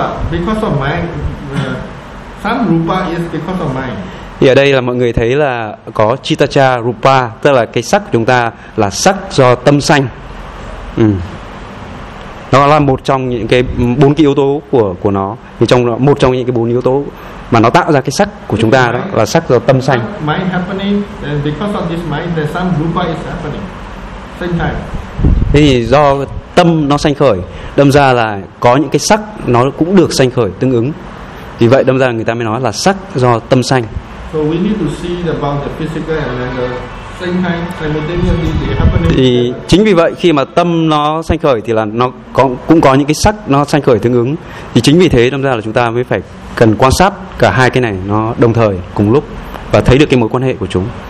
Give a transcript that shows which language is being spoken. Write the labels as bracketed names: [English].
[English] Because of mind, some rupa is because of mind. [Vietnamese] Thì ở đây là mọi người thấy là có chitta rupa, tức là cái sắc của chúng ta là sắc do tâm sanh. Nó là một trong những cái bốn cái yếu tố của nó. Thì trong đó một trong những cái bốn yếu tố mà nó tạo ra cái sắc của chúng ta đó là sắc do tâm sanh. [English] Mind happening, and because of this mind, there some rupa is happening. Same time. [Vietnamese] Thì do tâm nó sanh khởi, đâm ra là có những cái sắc nó cũng được sanh khởi tương ứng. Vì vậy đâm ra người ta mới nói là sắc do tâm sanh. [English] So we need to see the bound of physical and then the same time simultaneously happening. [Vietnamese] Thì chính vì vậy khi mà tâm nó sanh khởi thì là nó cũng có những cái sắc nó sanh khởi tương ứng. Thì chính vì thế đâm ra là chúng ta mới phải cần quan sát cả hai cái này nó đồng thời cùng lúc và thấy được cái mối quan hệ của chúng.